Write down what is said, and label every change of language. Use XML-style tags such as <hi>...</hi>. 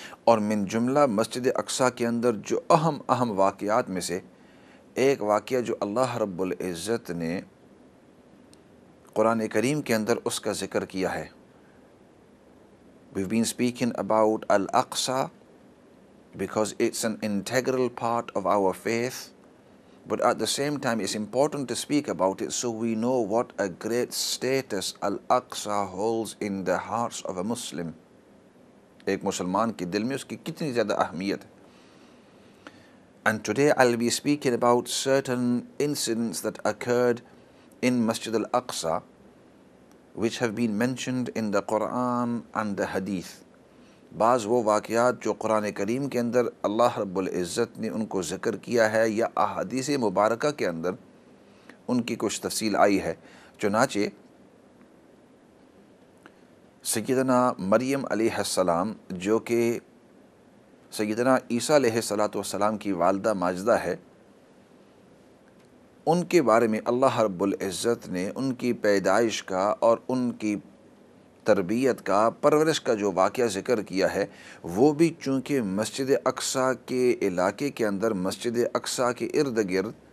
<ur>اور من جملہ مسجد اقصیٰ کے اندر جو اہم اہم واقعات میں سے ایک واقعہ جو اللہ رب العزت نے قرآن کریم کے اندر اس کا ذکر کیا ہے</ur> <en>We've been speaking about Al-Aqsa because it's an integral part of our faith. But at the same time, it's important to speak about it so we know what a great status Al-Aqsa holds in the hearts of a Muslim.</en> <ur>Ek Musliman ki dil mein uski kitni zyada ahmiyat hai.</ur> <en>And today I'll be speaking about certain incidents that occurred in Masjid Al-Aqsa. Which have been mentioned in the Quran and the Hadith.</en> <ur>بعض وہ واقعات جو قرآن کریم کے اندر اللہ رب العزت نے ان کو ذکر کیا ہے یا احادیث مبارکہ کے اندر ان کی کچھ تفصیل آئی ہے. چنانچہ سیدنا مریم علیہ السلام جو کہ سیدنا عیسیٰ علیہ السلام کی والدہ ماجدہ ہے, ان کے بارے میں اللہ رب العزت نے ان کی پیدائش کا اور ان کی تربیت کا, پرورش کا جو واقعہ ذکر کیا ہے وہ بھی چونکہ مسجد اقصیٰ کے علاقے کے اندر, مسجد اقصیٰ کے ارد گرد,</ur>